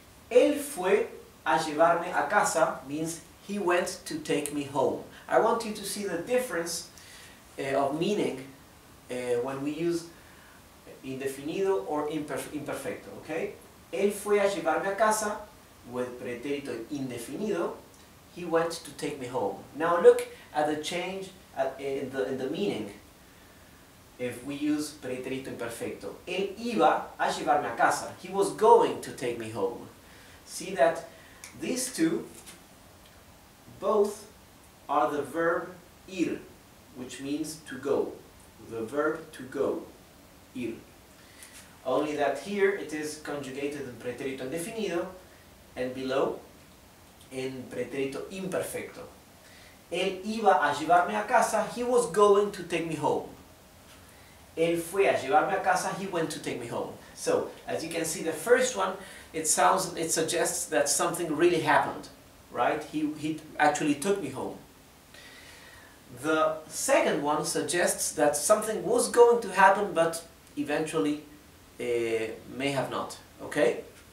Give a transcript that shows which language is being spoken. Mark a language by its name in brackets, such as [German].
[English] Él fue a llevarme a casa means he went to take me home. I want you to see the difference of meaning when we use indefinido or imperfecto, okay? [Spanish] Él fue a llevarme a casa with pretérito indefinido. [English] He went to take me home. Now look at the change in the meaning if we use pretérito imperfecto. Él iba a llevarme a casa. He was going to take me home. See that these two, both are the verb ir, which means to go. The verb to go, ir. Only that here it is conjugated in pretérito indefinido and below in pretérito imperfecto. Él iba a llevarme a casa, he was going to take me home. Él fue a llevarme a casa, he went to take me home. So, as you can see, the first one, it suggests that something really happened, right? He actually took me home. The second one suggests that something was going to happen, but eventually may have not, okay?